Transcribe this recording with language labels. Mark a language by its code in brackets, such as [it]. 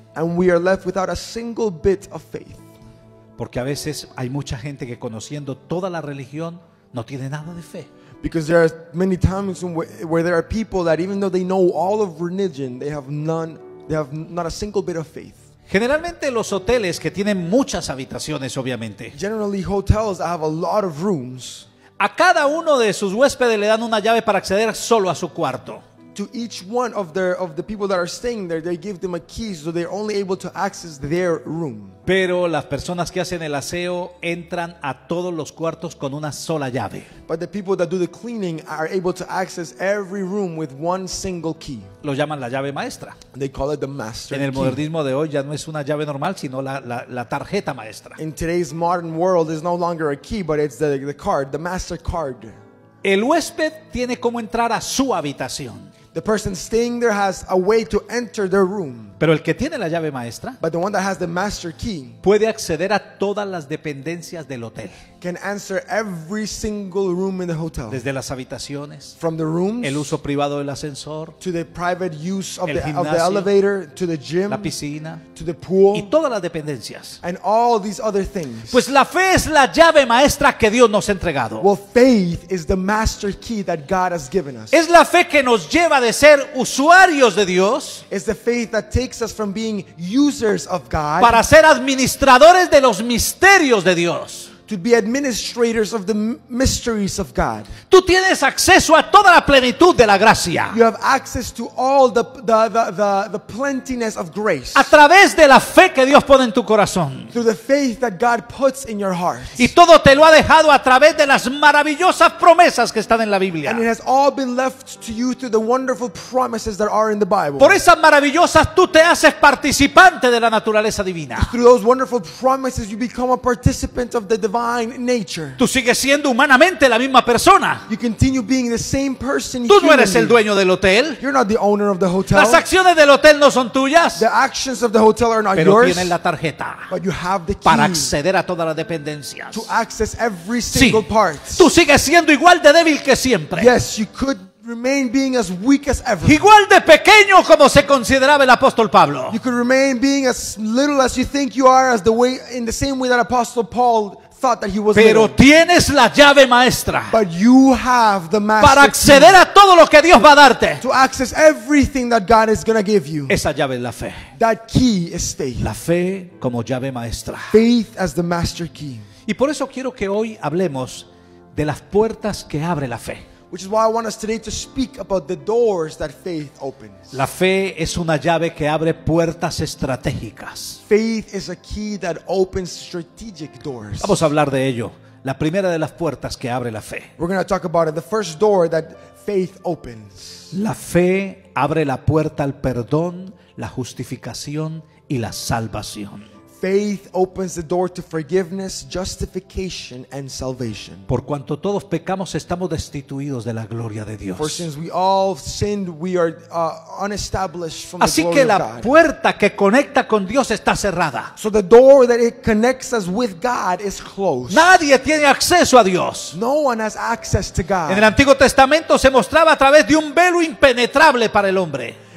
[en] And we are left without a single bit of faith. [es] Porque a veces hay mucha gente que conociendo toda la religión no tiene nada de fe. [en] Because there are many times where there are people that even though they know all of religion, they have not a single bit of faith. [es] Generalmente los hoteles que tienen muchas habitaciones, obviamente. [en] Generally hotels that have a lot of rooms. [es] A cada uno de sus huéspedes le dan una llave para acceder solo a su cuarto. [en] To each one of the people that are staying there, they give them a key so they're only able to access their room. [es] Pero las personas que hacen el aseo entran a todos los cuartos con una sola llave. [en] But the people that do the cleaning are able to access every room with one single key. [es] Lo llaman la llave maestra. [en] They call it the master key. [es] En el modernismo de hoy ya no es una llave normal, sino la tarjeta maestra. [en] In today's modern world, it's no longer a key, but it's the card, the master card. [es] El huésped tiene cómo entrar a su habitación. [en] The person staying there has a way to enter their room. [es] Pero el que tiene la llave maestra, [en] but the one that has the master key, [es] puede acceder a todas las dependencias del hotel. [en] Can answer every single room in the hotel. [es] Desde las habitaciones, [en] from the rooms, [es] el uso privado del ascensor, [en] to the private use of the elevator, to the gym, [es] la piscina, [en] to the pool, [es] y todas las dependencias. [en] And all these other things. [es] Pues la fe es la llave maestra que Dios nos ha entregado. [en] Well, faith is the master key that God has given us. [es] Es la fe que nos lleva de de ser usuarios de Dios, [en] is the faith that takes us from being users of God, [es] para ser administradores de los misterios de Dios. [en] To be administrators of the mysteries of God. [es] Tú tienes acceso a toda la plenitud de la gracia. [en] You have access to all the plentiness of grace. [es] A través de la fe que Dios pone en tu corazón. [en] Through the faith that God puts in your heart. [es] Y todo te lo ha dejado a través de las maravillosas promesas que están en la Biblia. [en] And it has all been left to you through the wonderful promises that are in the Bible. [es] Por esas maravillosas tú te haces participante de la naturaleza divina. [en] Through those wonderful promises you become a participant of the divine nature. [es] Tú sigues siendo humanamente la misma persona. [en] You continue being the same person. [es] Tú no eres el dueño del hotel. [en] You're not the owner of the hotel. [es] Las acciones del hotel no son tuyas. [en] The actions of the hotel are not yours. [es] Pero tienes la tarjeta. [en] But you have the key. [es] Para acceder a todas las dependencias. [en] To access every single part. [es] Tú sigues siendo igual de débil que siempre. [en] Yes, you could remain being as weak as ever. [es] Igual de pequeño como se consideraba el apóstol Pablo. [en] You could remain being as little as you think you are, as the way, in the same way that Apostle Paul thought that he was. [es] Pero [en] little. [es] Tienes la llave maestra. [en] But you have the master. [es] Para acceder a todo lo que Dios va a darte. [en] To access everything that God is going to give you. [es] Esa llave es la fe. [en] That key is faith. [es] La fe como llave maestra. [en] Faith as the master key. [es] Y por eso quiero que hoy hablemos de las puertas que abre la fe. [en] Which is why I want us today to speak about the doors that faith opens. [es] La fe es una llave que abre puertas estratégicas. [en] Faith is a key that opens strategic doors. [es] Vamos a hablar de ello. La primera de las puertas que abre la fe. [en] We're going to talk about it. The first door that faith opens. [es] La fe abre la puerta al perdón, la justificación y la salvación. [en] Faith opens the door to forgiveness, justification, and salvation. [es] Por cuanto todos pecamos, estamos destituidos de la gloria de Dios. [en] For since we all sinned, we are unestablished from the glory of God. [es] Así que la puerta que conecta con Dios está cerrada. [en] So the door that it connects us with God is closed. [es] Nadie tiene acceso a Dios. [en] No one has access to God. [es] En el Antiguo Testamento se mostraba a través de un velo impenetrable para el hombre.